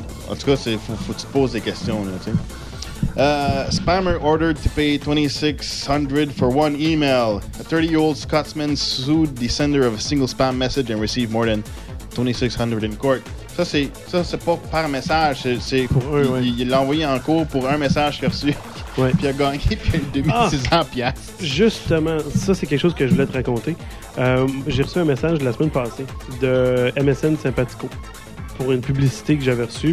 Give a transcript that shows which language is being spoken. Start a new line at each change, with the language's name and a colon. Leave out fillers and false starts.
French: En tout cas, faut que tu te poses des questions, là, tu sais.
English: Spammer ordered to pay $2,600 for one email. A 30-year-old Scotsman sued the sender of a single spam message and received more than $2,600 in court.
French: Ça c'est pas par message, c'est pour eux, ouais. Il l'a envoyé en cours pour un message qu'il a reçu. Ouais. Puis il a gagné puis 2,600$. Justement, ça c'est quelque chose que je voulais te raconter. J'ai reçu un message la semaine passée de MSN Sympatico pour une publicité que j'avais reçue.